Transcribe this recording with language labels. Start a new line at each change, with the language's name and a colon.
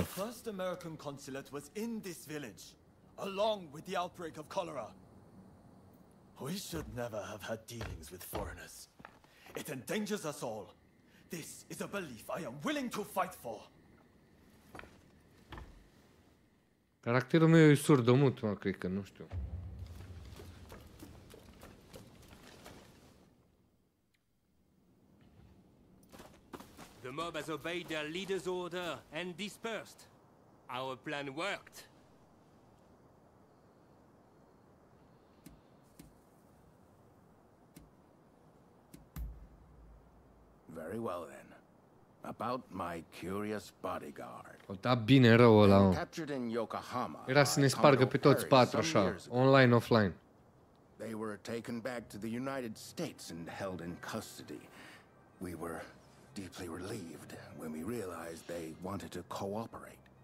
English: The first American consulate was in this village, along with the outbreak of cholera. We should never have had dealings with foreigners. It endangers us all. This is a belief I am willing to fight for.
Romanian: Caracterul meu e surdomut, mă, cred că, nu știu.
English: The mob has obeyed their leader's order and dispersed. Our plan worked. Very well then. About my curious bodyguard.
Romanian: O da bine rău ăla, o.
English: Captured in Yokohama.
Romanian: Era să ne spargă pe toți patru așa, online offline.
English: They were taken back to the United States and held in custody. We were deeply relieved when we realized they wanted to cooperate.